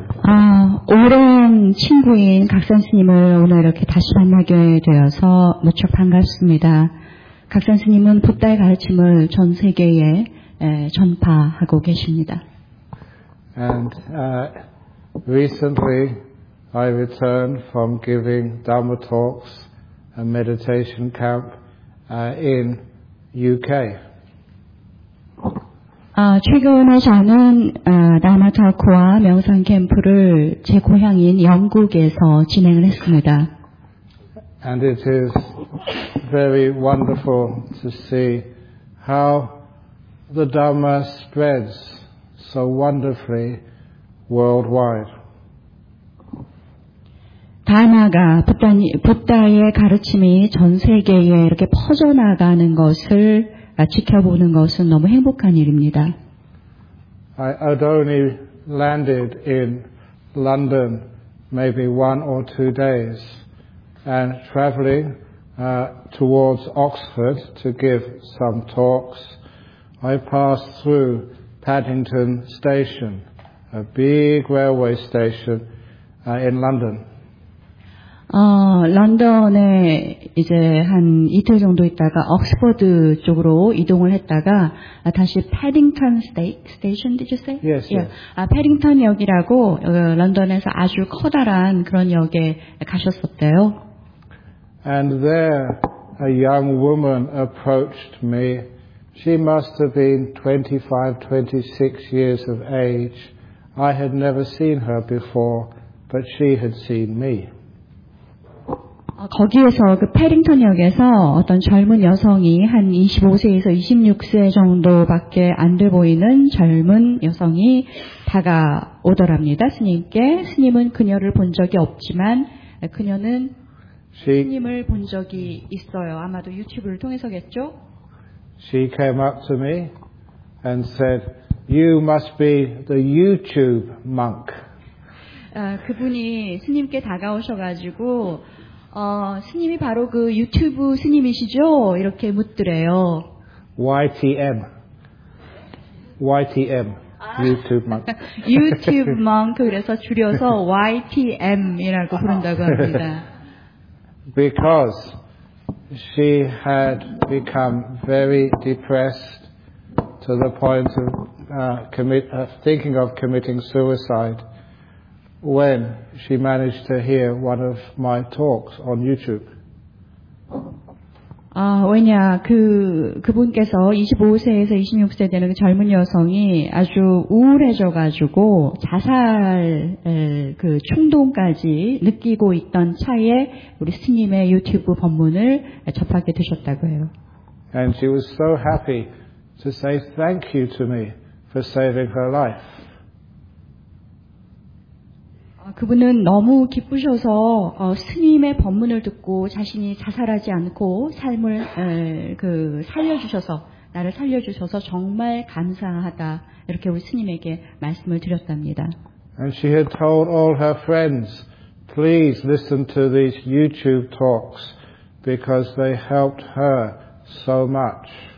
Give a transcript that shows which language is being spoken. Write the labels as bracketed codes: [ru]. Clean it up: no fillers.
[ko] 아, 오랜 친구인 각선 스님을 오늘 이렇게 다시 만나게 되어서 무척 반갑습니다. 각선 스님은 부다의 가르침을 전 세계에 에, 전파하고 계십니다. [en] And recently I returned from giving Dharma talks and meditation camp in UK. [ko] 최근에 저는 다마타코와 명상 캠프를 제 고향인 영국에서 진행을 했습니다. [en] And it is very wonderful to see how the Dharma spreads so wonderfully worldwide. [ko] 다마가 부다의 가르침이 전 세계에 이렇게 퍼져나가는 것을 지켜보는 것은 너무 행복한 일입니다. [en] I had only landed in London maybe one or two days and traveling towards Oxford to give some talks. I passed through Paddington Station, a big railway station in London. [ko] 런던에 이제 한 이틀 정도 있다가 옥스퍼드 쪽으로 이동을 했다가 다시 패딩턴 스테이션, [en] did you say? Yes, yes. Yeah. [ko] 패딩턴 역이라고 런던에서 아주 커다란 그런 역에 가셨었대요. [en] And there a young woman approached me. She must have been 25, 26 years of age. I had never seen her before, but she had seen me. [ko] 거기에서 그 패딩턴역에서 어떤 젊은 여성이 한 25세에서 26세 정도밖에 안 돼 보이는 젊은 여성이 다가오더랍니다. 스님께 스님은 그녀를 본 적이 없지만 그녀는 스님을 본 적이 있어요. 아마도 유튜브를 통해서겠죠? [en] She came up to me and said, "You must be the YouTube monk." [ko] 그분이 스님께 다가오셔가지고 스님이 바로 그 유튜브 스님이시죠? 이렇게 묻더래요. [en] YTM. YTM. 유튜브 monk. [ko] 유튜브 monk. 그래서 줄여서 YTM이라고 부른다고 합니다. [en] Because she had become very depressed to the point of thinking of committing suicide. When she managed to hear one of my talks on YouTube. [ko] 왜냐 그분께서 25세에서 26세 되는 그 젊은 여성이 아주 우울해져가지고 자살 그 충동까지 느끼고 있던 차에 우리 스님의 유튜브 법문을 접하게 되셨다고 해요. [en] And she was so happy to say thank you to me for saving her life. [ko] 그분은 너무 기쁘셔서 스님의 법문을 듣고 자신이 자살하지 않고 삶을 그 살려주셔서 나를 살려주셔서 정말 감사하다 이렇게 우리 스님에게 말씀을 드렸답니다. [en] And she had told all her friends, please listen to these YouTube talks because they helped her so much.